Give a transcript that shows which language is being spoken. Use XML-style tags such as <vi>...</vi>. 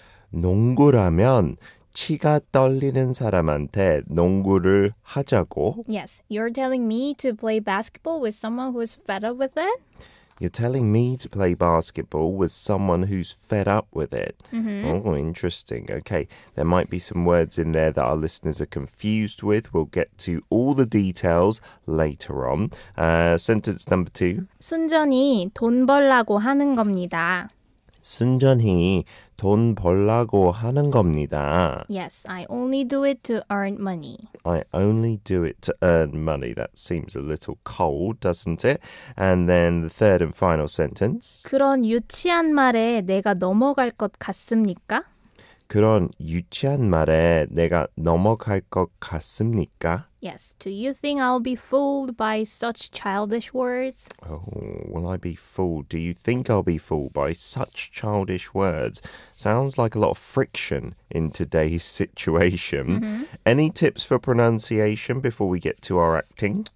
<ko>농구라면 치가 떨리는 사람한테 농구를 하자고.</ko> <en>Yes, you're telling me to play basketball with someone who's fed up with it? You're telling me to play basketball with someone who's fed up with it. Mm-hmm. Oh, interesting. Okay, there might be some words in there that our listeners are confused with. We'll get to all the details later on. Sentence number two.</en> <ko>순전히 돈 벌라고 하는 겁니다. 순전히 돈 벌라고 하는 겁니다.</ko> <en>Yes, I only do it to earn money. I only do it to earn money. That seems a little cold, doesn't it? And then the third and final sentence.</en> <ko>그런 유치한 말에 내가 넘어갈 것 같습니까? 그런 유치한 말에 내가 넘어갈 것 같습니까?</ko> <en>Yes. Do you think I'll be fooled by such childish words? Oh, will I be fooled? Do you think I'll be fooled by such childish words? Sounds like a lot of friction in today's situation. Mm-hmm. Any tips for pronunciation before we get to our acting?</en>